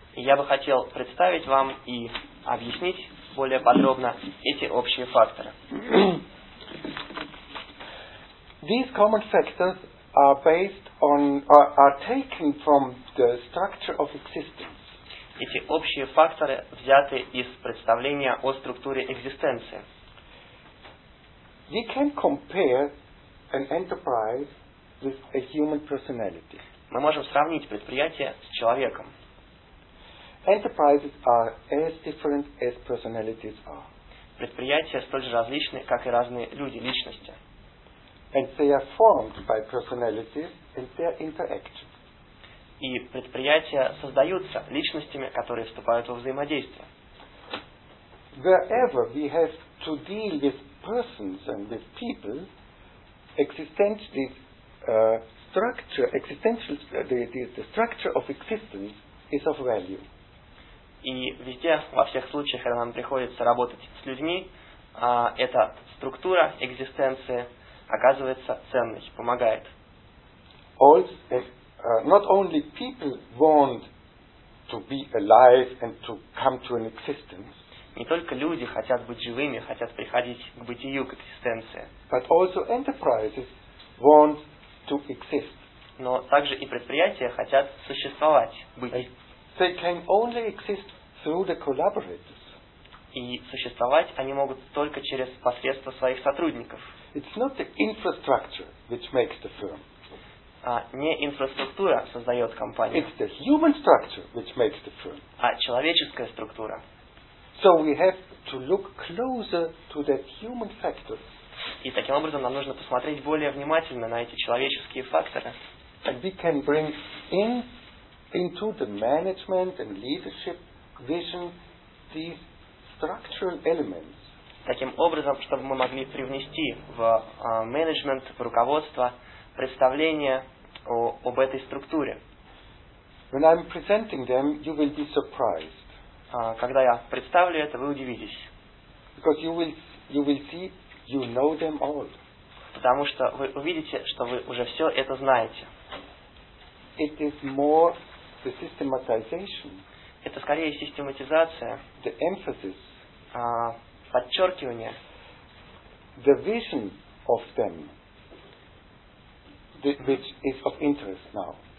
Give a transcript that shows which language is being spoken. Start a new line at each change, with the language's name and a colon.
Russian: И я бы хотел представить вам и объяснить более подробно эти общие факторы.
English: These common factors are based on are taken from the structure of existence.
Russian: Эти общие факторы взяты из представления о структуре экзистенции.
English: We can compare an enterprise with a human personality.
Russian: Мы можем сравнить предприятие с человеком.
English: Enterprises are as different as personalities are.
Russian: Предприятия столь же различны, как и разные люди, личности.
English: And they are formed by personalities and their interactions.
Russian: И предприятия создаются личностями, которые вступают во взаимодействие.
English: Wherever we have to deal with persons and with people, existence, structure, existential, the structure of existence is of value.
Russian: И везде, во всех случаях, когда нам приходится работать с людьми, эта структура экзистенции оказывается ценной, помогает.
English: Not only people want to be alive and to come to an existence.
Russian: Не только люди хотят быть живыми, хотят приходить к бытию, к экзистенции.
English: But also enterprises want to exist.
Russian: Но также и предприятия хотят существовать, быть.
English: They can only exist through the collaborators.
Russian: И существовать они могут только через посредство своих сотрудников.
English: It's not the infrastructure which makes the firm.
Russian: Не инфраструктура создает компанию.
English: It's the human structure which makes the firm.
Russian: А человеческая структура.
English: So we have to look closer to that human factor.
Russian: И таким образом нам нужно посмотреть более внимательно на эти человеческие факторы.
English: And we can bring into the management and leadership vision these structural elements.
Russian: Таким образом, чтобы мы могли привнести в менеджмент, в руководство представление об этой структуре.
English: When I'm presenting them, you will be surprised.
Russian: Когда я представлю это, вы удивитесь.
English: Because you will see, you know them all.
Russian: Потому что вы увидите, что вы уже все это знаете.
English: It is more the systematization.
Russian: Это скорее систематизация.
English: The emphasis.
Russian: Подчеркивание.
English: The vision of them. Which is of interest now.